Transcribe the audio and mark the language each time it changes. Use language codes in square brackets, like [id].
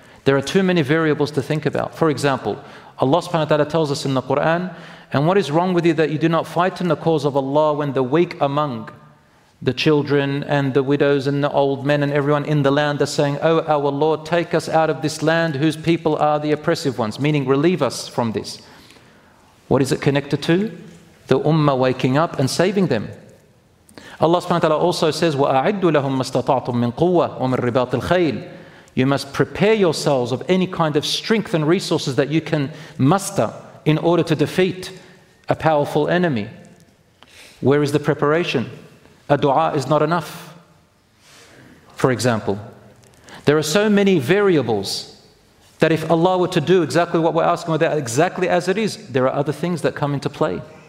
[en] There are too many variables to think about. For example, Allah subhanahu wa ta'ala tells us in the Quran, and what is wrong with you that you do not fight in the cause of Allah when the weak among the children and the widows and the old men and everyone in the land are saying, oh, our Lord, take us out of this land whose people are the oppressive ones, meaning relieve us from this. What is it connected to? The ummah waking up and saving them. Allah subhanahu wa ta'ala also says, [ar] وَأَعِدُّ لَهُمْ مَسْتَطَعْتُمْ مِنْ قُوَّةٍ وَمِنْ رِبَاطِ الْخَيْلِ. [en] You must prepare yourselves of any kind of strength and resources that you can muster in order to defeat a powerful enemy. Where is the preparation? A dua is not enough. For example, there are so many variables that if Allah were to do exactly what we're asking without exactly as it is, there are other things that come into play.